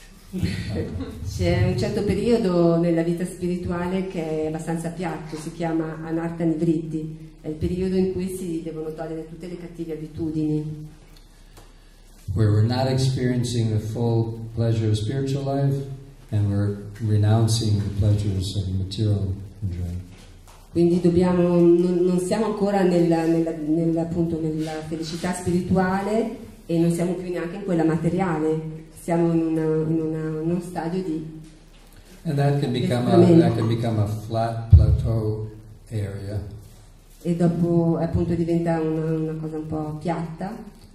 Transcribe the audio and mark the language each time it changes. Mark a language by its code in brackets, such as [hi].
[it] C'è un certo periodo nella vita spirituale che è abbastanza piatto, si chiama Anartha Nivritti, è il periodo in cui si devono togliere tutte le cattive abitudini. [en] Where we're not experiencing the full pleasure of spiritual life and we're renouncing the pleasures of material enjoyment. [it] Quindi dobbiamo, non siamo ancora appunto nella felicità spirituale e non siamo più neanche in quella materiale. Siamo in uno stadio di. [en] And that can become a flat plateau area. [it] E dopo appunto diventa una cosa un po' piatta.